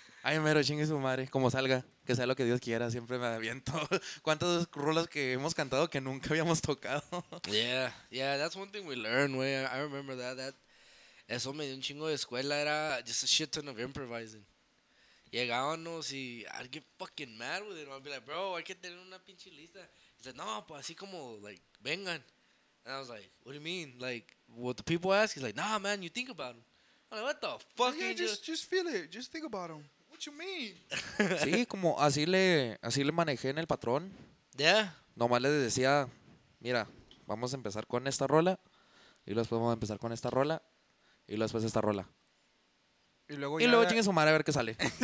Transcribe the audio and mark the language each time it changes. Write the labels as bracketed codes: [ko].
[es] Ay, mero, chingue su madre, como salga, que sea lo que Dios quiera, siempre me aviento. ¿Cuántas rolas que hemos cantado que nunca habíamos tocado? [en] Yeah, yeah, that's one thing we learned, wey. I remember that. [es] Eso me dio un chingo de escuela, era [en] just a shit ton of improvising. [es] Llegábamos y [en] I'd get fucking mad with it. I'd be like, bro, [es] hay que tener una pinche lista. [en] He's like, [es] no, pues así como, like, vengan. [en] And I was like, what do you mean? Like, what the people ask? He's like, nah, man, you think about them. I'm like, what the fuck? Yeah, just feel it. Just think about them. What you mean? [es] Sí, como así le manejé en el patrón. [en] Yeah. [es] Nomás le decía, mira, vamos a empezar con esta rola. Y después vamos a empezar con esta rola. Y después esta rola. Y luego chingue su madre a ver qué sale.